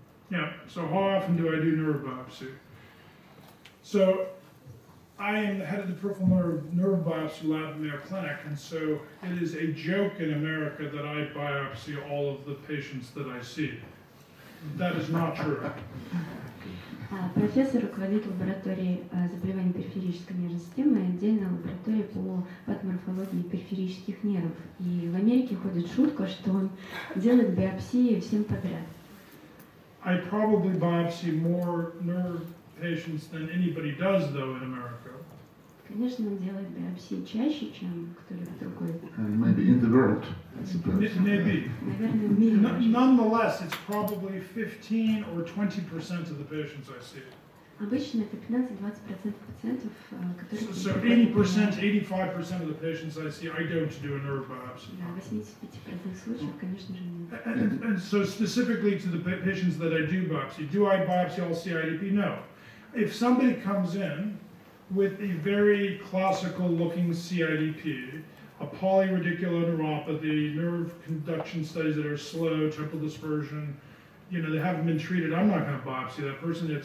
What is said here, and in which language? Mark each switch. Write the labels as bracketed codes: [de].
[en] Yeah, so how often do I do nerve biopsy? So I am the head of the peripheral nerve biopsy lab in their clinic, and so it is a joke in America that I biopsy all of the patients that I see. That is not true. [ru] Профессор руководит лабораторией заболеваний периферической нервной системы и отдельной лабораторией по патоморфологии периферических нервов. И в Америке ходит шутка, что он делает биопсии всем подряд. [en] I probably biopsy more nerve patients than anybody does, though, in America. [ru] Конечно, он делает биопсии чаще, чем кто-либо другой. [en] Maybe in the world, I suppose. Maybe. [ru] Наверное, в мире. [en] Nonetheless, it's probably 15% or 20% of the patients I see. [ru] Обычно это 15-20% пациентов, которые... [en] So 80%, 85% of the patients I see, I don't do a nerve biopsy. [ru] Да, 85% случаев, конечно же, нет. [en] And so specifically to the patients that I do I biopsy all CIDP? No. If somebody comes in with a very classical looking CIDP, a polyradikuloneuropathy, nerve conduction studies that are slow, temporal dispersion, you know, they haven't been treated, I'm not going to biopsy that person.